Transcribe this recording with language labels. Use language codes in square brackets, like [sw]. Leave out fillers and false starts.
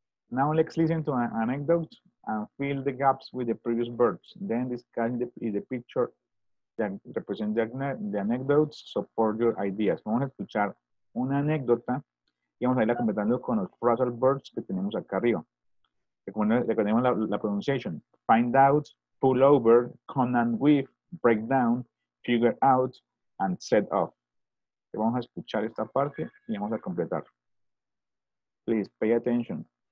[en] Now let's listen to an anecdote and fill the gaps with the previous verbs. Then discuss the picture that represents the anecdotes support your ideas. [es] Vamos a escuchar una anécdota y vamos a irla completando con los phrasal verbs que tenemos acá arriba. Recordemos la pronunciation. [en] Find out, pull over, come and with, break down, figure out, and set off. [es] Vamos a escuchar esta parte y vamos a completar. [en] Please, pay attention.